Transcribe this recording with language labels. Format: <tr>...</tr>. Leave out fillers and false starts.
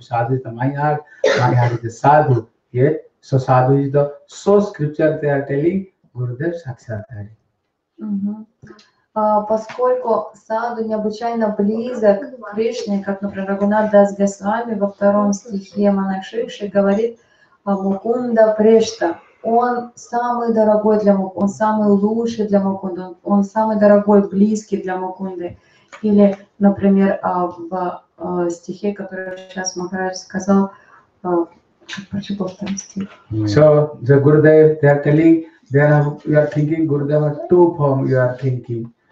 <en>Sadhu is the mayar, mayar is the sadhu. Yeah? So sadhu is the, so scripture they are telling Gurudev Sakshatari.</en> <ru>Поскольку саду необычайно близок к Кришне, как, например, Рагунат Дас Госвами во втором стихе Манакшикши говорит Мукунда Прешта. Он самый дорогой для Мукунды, он самый лучший для Мукунды, он самый дорогой, близкий для Мукунды. Или, например, в стихе, который сейчас Махарадж сказал, прочитал второй стих.</ru> <en>So, the Gurudev, they are telling, they are, you are thinking, Gurudev, two form you are thinking.</en>